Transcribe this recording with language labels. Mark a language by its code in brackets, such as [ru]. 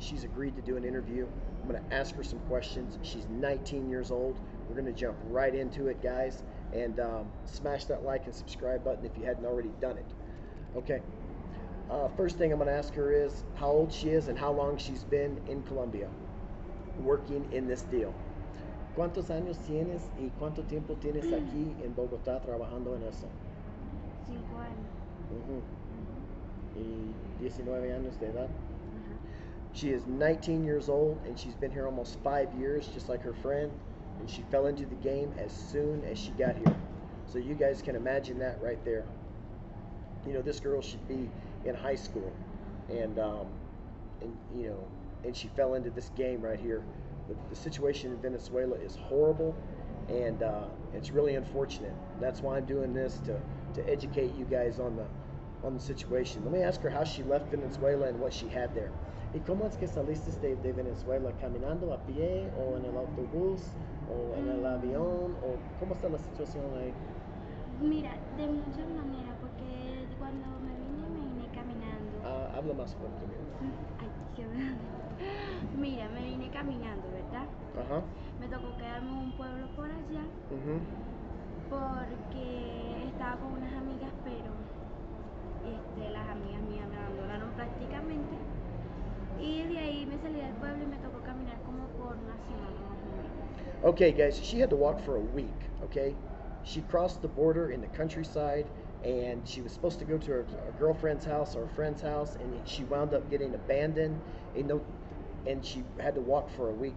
[en] She's agreed to do an interview. I'm gonna ask her some questions. She's 19 years old. We're gonna jump right into it, guys. And smash that like and subscribe button if you hadn't already done it. Okay, first thing I'm gonna ask her is how old she is and how long she's been in Colombia working in this deal. [es] ¿Cuántos años tienes y cuánto tiempo tienes aquí en Bogotá trabajando en eso? 5 años. Mm-hmm. [en] She is 19 years old and she's been here almost 5 years, just like her friend, and she fell into the game as soon as she got here. So you guys can imagine that right there. You know, this girl should be in high school, and she fell into this game right here. The situation in Venezuela is horrible, and it's really unfortunate. That's why I'm doing this, to educate you guys on the situation. Let me ask her how she left Venezuela and what she had there. [es] ¿Y cómo es que saliste de Venezuela? ¿Caminando a pie o en el autobús o en el avión? ¿O cómo está la situación ahí? Mira, de muchas maneras, porque cuando me vine caminando. Habla más fuerte, mira. Ay, qué mira, me vine caminando, ¿verdad? Ajá. Me tocó quedarme en un pueblo por allá. Porque estaba con unas amigas, pero las amigas mías me abandonaron prácticamente, y de ahí me salí del pueblo y me tocó caminar como por una semana más o menos. [en] Okay, guys, she had to walk for a week, okay? She crossed the border in the countryside, and she was supposed to go to her girlfriend's house or a friend's house, and she wound up getting abandoned, and she had to walk for a week.